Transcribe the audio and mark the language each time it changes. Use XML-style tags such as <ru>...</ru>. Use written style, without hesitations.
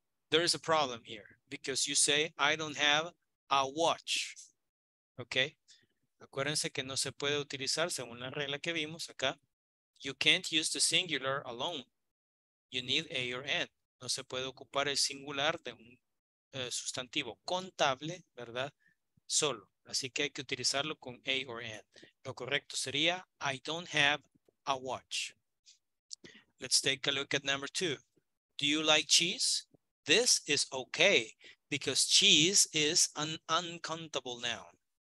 <en>There is a problem here because you say, I don't have a watch. Okay?</en> <es>Acuérdense que no se puede utilizar según la regla que vimos acá.</es> <en>You can't use the singular alone. You need A or N.</en> <es>No se puede ocupar el singular de un sustantivo contable, ¿verdad? Solo. Así que hay que utilizarlo con A or N. Lo correcto sería,</es> <en>I don't have a watch. Let's take a look at number two. Do you like cheese? This is okay because cheese is an uncountable noun.</en>